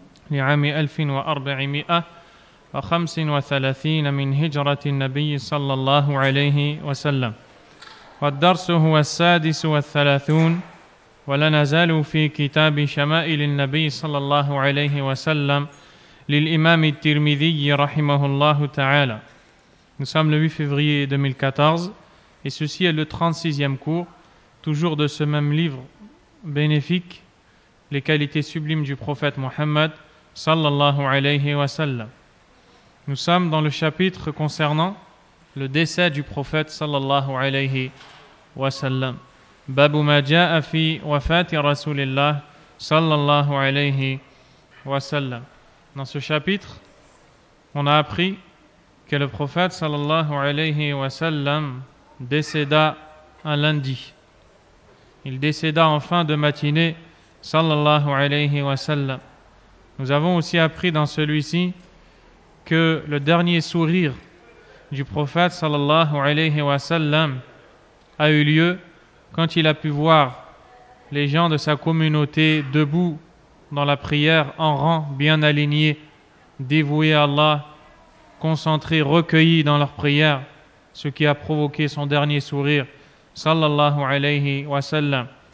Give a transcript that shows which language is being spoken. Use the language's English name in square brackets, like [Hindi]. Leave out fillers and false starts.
[Arabic] لعام 1435 من هجرة النبي صلى الله عليه وسلم والدرس هو 36 ولا نزال في كتاب شمائل النبي صلى الله عليه وسلم للإمام الترمذي رحمه الله تعالى. [French] Nous sommes le 8 février 2014 et ceci est le 36e cours, toujours de ce même livre bénéfique, Les qualités sublimes du prophète Mohammed صلى الله عليه وسلم. Nous sommes dans le chapitre concernant le décès du prophète صلى الله عليه وسلم. [Arabic] باب ما جاء في وفاة رسول الله صلى الله عليه وسلم. [French] Dans ce chapitre, on a appris que le prophète صلى الله عليه وسلم décéda un lundi. Il décéda en fin de matinée صلى الله عليه وسلم. Nous avons aussi appris dans celui-ci que le dernier sourire du prophète صلى الله عليه وسلم a eu lieu quand il a pu voir les gens de sa communauté debout dans la prière, en rang, bien alignés, dévoués à Allah, concentrés, recueillis dans leur prière, ce qui a provoqué son dernier sourire, sallallahu alayhi wa sallam.